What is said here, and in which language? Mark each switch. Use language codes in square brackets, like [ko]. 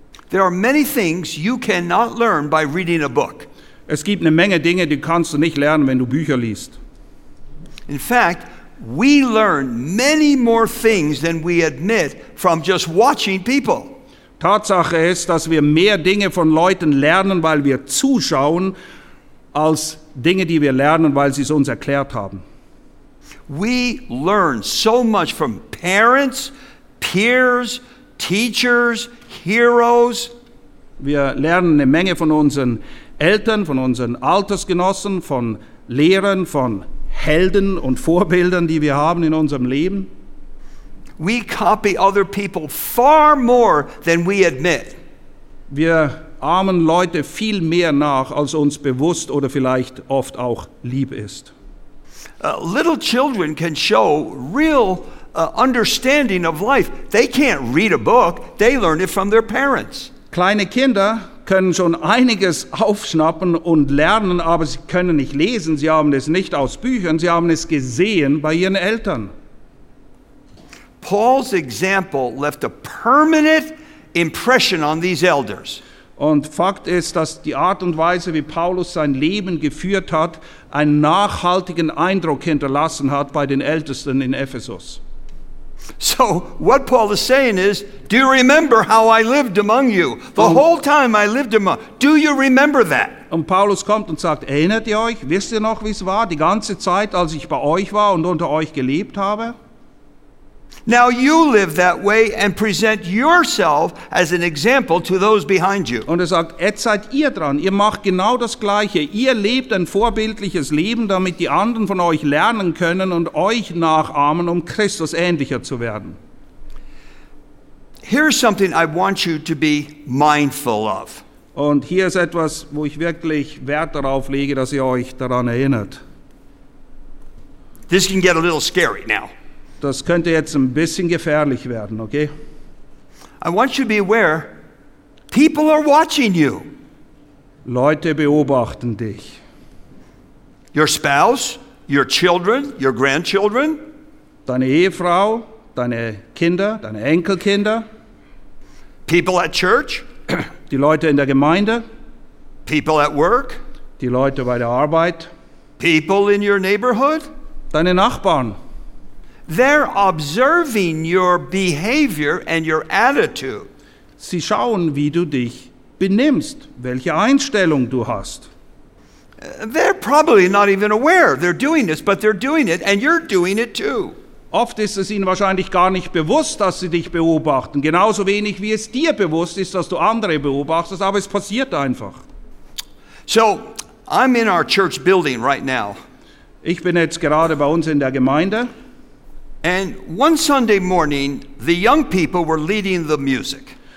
[en] There are many things you cannot learn by reading a book. [de] Es gibt eine Menge Dinge, die kannst du nicht lernen, wenn du Bücher liest. [en] In fact, we learn many more things than we admit from just watching people. [de] Tatsache ist, dass wir mehr Dinge von Leuten lernen, weil wir zuschauen, als Dinge, die wir lernen, weil sie es uns erklärt haben. [en] We learn so much from parents, peers, teachers, heroes. [de] Wir lernen eine Menge von unseren Eltern, von unseren Altersgenossen, von Lehrern, von Helden und Vorbildern, die wir haben in unserem Leben. [en] We copy other people far more than we admit. [de] Wir ahmen Leute viel mehr nach, als uns bewusst oder vielleicht oft auch lieb ist. [en] Little children can show real understanding of life. They can't read a book. They learn it from their parents. [de] Kleine Kinder können schon einiges aufschnappen und lernen, aber sie können nicht lesen. Sie haben es nicht aus Büchern. Sie haben es gesehen bei ihren Eltern. [en] Paul's example left a permanent impression on these elders. [de] Und Fakt ist, dass die Art und Weise, wie Paulus sein Leben geführt hat, einen nachhaltigen Eindruck hinterlassen hat bei den Ältesten in Ephesus. [en] So, what Paul is saying is, do you remember how I lived among you? The whole time I lived among you, do you remember that? [de] Und Paulus kommt und sagt, erinnert ihr euch? Wisst ihr noch, wie es war? Die ganze Zeit, als ich bei euch war und unter euch gelebt habe? [en] Now you live that way and present yourself as an example to those behind you. [de] Und er sagt, jetzt seid ihr dran. Ihr macht genau das Gleiche. Ihr lebt ein vorbildliches Leben, damit die anderen von euch lernen können und euch nachahmen, um Christus ähnlicher zu werden. [en] Here's something I want you to be mindful of. [de] Und hier ist etwas, wo ich wirklich Wert darauf lege, dass ihr euch daran erinnert. [en] This can get a little scary now. [de] Das könnte jetzt ein bisschen gefährlich werden, okay? [en] I want you to be aware, people are watching you. [de] Leute beobachten dich. [en] Your spouse, your children, your grandchildren. [de] Deine Ehefrau, deine Kinder, deine Enkelkinder. [en] People at church. [de] Die Leute in der Gemeinde. [en] People at work. [de] Die Leute bei der Arbeit. [en] People in your neighborhood. [de] Deine Nachbarn. [en] They're observing your behavior and your attitude. [de] Sie schauen, wie du dich benimmst, welche Einstellung du hast. [en] They're probably not even aware they're doing this, but they're doing it and you're doing it too. [de] Oft ist es ihnen wahrscheinlich gar nicht bewusst, dass sie dich beobachten, genauso wenig wie es dir bewusst ist, dass du andere beobachtest, aber es passiert einfach. [en] So, I'm in our church building right now. [de] Ich bin jetzt gerade bei uns in der Gemeinde. [en] And one Sunday morning, the young people were leading the music.